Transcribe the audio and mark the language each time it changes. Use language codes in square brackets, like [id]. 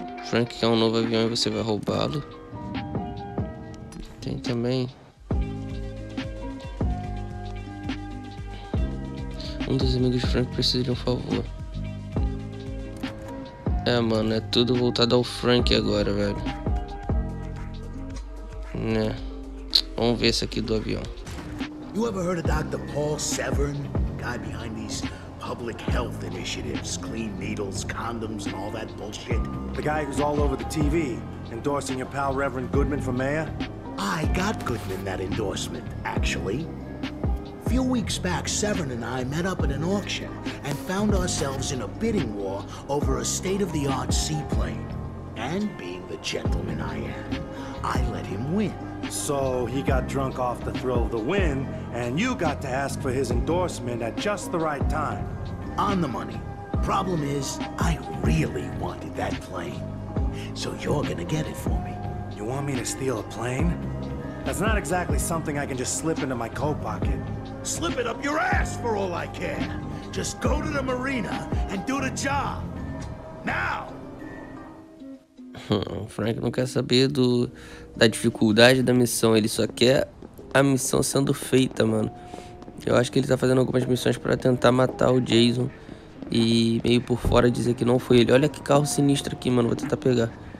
[pt] Frank quer um novo avião e você vai roubá-lo. Tem também um dos amigos de Frank precisa de um favor. É, mano, é tudo voltado ao Frank agora, velho. Né? Vamos ver esse aqui do avião. [en] You ever heard of Dr. Paul Severn? Guy behind these public health initiatives, clean needles, condoms, and all that bullshit? The guy who's all over the TV, endorsing your pal Reverend Goodman for mayor? I got Goodman that endorsement, actually. A few weeks back, Severn and I met up at an auction and found ourselves in a bidding war over a state-of-the-art seaplane. And being the gentleman I am, I let him win. So he got drunk off the thrill of the win, and you got to ask for his endorsement at just the right time. On the money. Problem is, I really wanted that plane. So you're gonna get it for me. You want me to steal a plane? That's not exactly something I can just slip into my coat pocket. Slip it up your ass for all I care. Just go to the marina and do the job. Now! [pt] O Frank não quer saber da dificuldade da missão. Ele só quer a missão sendo feita, mano. Eu acho que ele tá fazendo algumas missões pra tentar matar o Jason. E meio por fora dizer que não foi ele. Olha que carro sinistro aqui, mano. Vou tentar pegar.